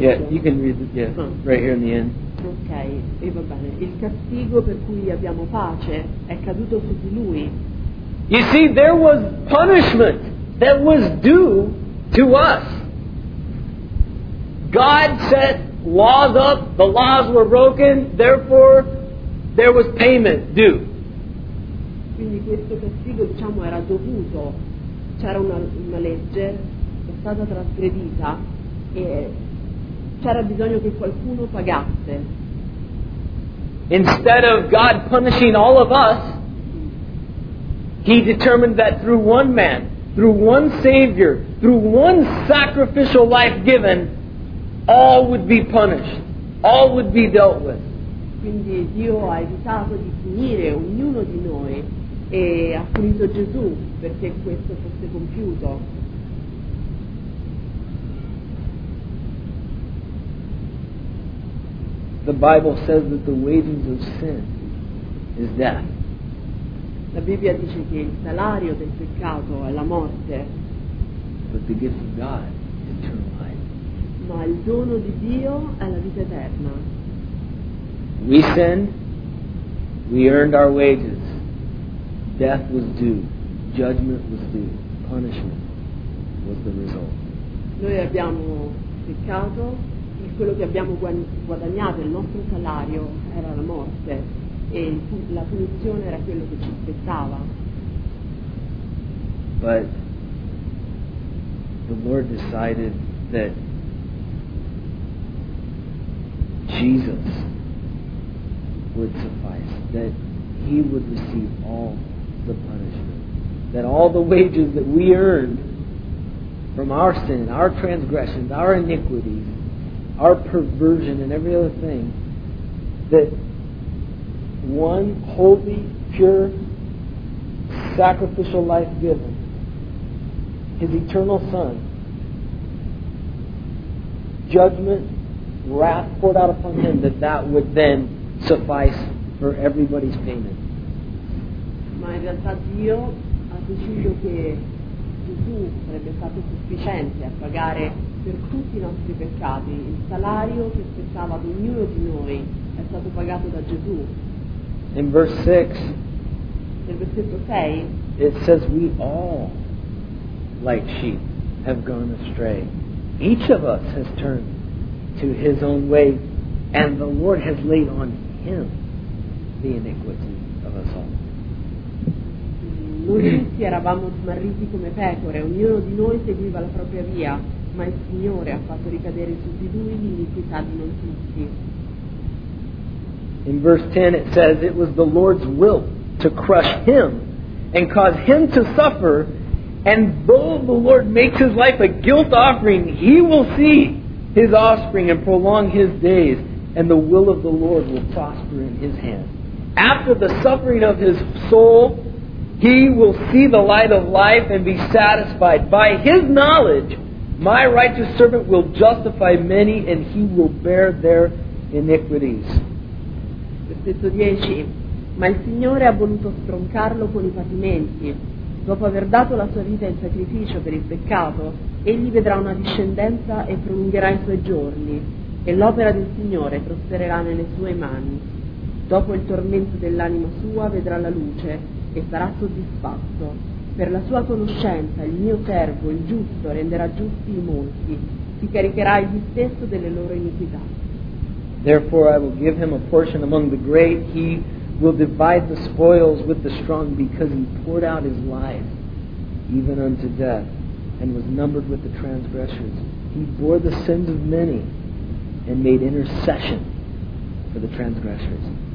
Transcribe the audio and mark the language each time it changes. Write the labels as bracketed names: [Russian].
[English] You can read it, yeah, right here in the end. [Italian] Okay, e va bene. Il castigo per cui abbiamo pace è caduto su di lui. [English] You see, there was punishment that was due to us. God said laws up, the laws were broken, therefore there was payment due. [Italian] Quindi questo castigo, diciamo, era dovuto. C'era una legge, è stata trasgredita e c'era bisogno che qualcuno pagasse. [English] Instead of God punishing all of us, he determined that through one man, through one Savior, through one sacrificial life given, all would be punished, all would be dealt with. [Italian] Quindi Dio ha evitato di punire ognuno di noi e ha punito Gesù perché questo fosse compiuto. [English] The Bible says that the wages of sin is death. [Italian] La Bibbia dice che il salario del peccato è la morte. [English] But the gift of God is eternal life. [Italian] Ma il dono di Dio è la vita eterna. [English] We sinned, we earned our wages. Death was due, judgment was due, punishment was the result. [Italian] Noi abbiamo peccato, e quello che abbiamo guadagnato, il nostro salario, era la morte, e la punizione era quello che ci aspettava. [English] But the Lord decided that Jesus would suffice, that he would receive all the punishment, that all the wages that we earned from our sin, our transgressions, our iniquities, our perversion and every other thing, that one holy, pure, sacrificial life given, his eternal son, judgment, wrath poured out upon him, that would then suffice for everybody's payment. [Italian] Ma in realtà Dio ha deciso che Gesù sarebbe stato sufficiente a pagare per tutti i nostri peccati. Il salario che aspettava ad ognuno di noi è stato pagato da Gesù. [English] In verse 6, [Italian] nel versetto 6, [English] it says we all, like sheep, have gone astray. Each of us has turned to his own way, and the Lord has laid on him the iniquity of us all. [Italian] noi tutti eravamo smarriti come pecore, ognuno di noi seguiva la propria via, ma il Signore ha fatto ricadere su di lui l'iniquità di noi tutti. [English] In verse 10 it says, it was the Lord's will to crush him and cause him to suffer, and though the Lord makes his life a guilt offering, he will see his offspring and prolong his days, and the will of the Lord will prosper in his hand. After the suffering of his soul, he will see the light of life and be satisfied. By his knowledge, my righteous servant will justify many, and he will bear their iniquities. [Italian] Versetto 10. Ma il Signore ha voluto stroncarlo con i patimenti. Dopo aver dato la sua vita in sacrificio per il peccato, egli vedrà una discendenza e prolungherà i suoi giorni, e l'opera del Signore prospererà nelle sue mani. Dopo il tormento dell'anima sua vedrà la luce e sarà soddisfatto. Per la sua conoscenza il mio servo, il giusto, renderà giusti i molti, si caricherà egli stesso delle loro iniquità. [English] Therefore I will give him a portion among the great, he will divide the spoils with the strong, because he poured out his life even unto death, and was numbered with the transgressors. He bore the sins of many and made intercession for the transgressors.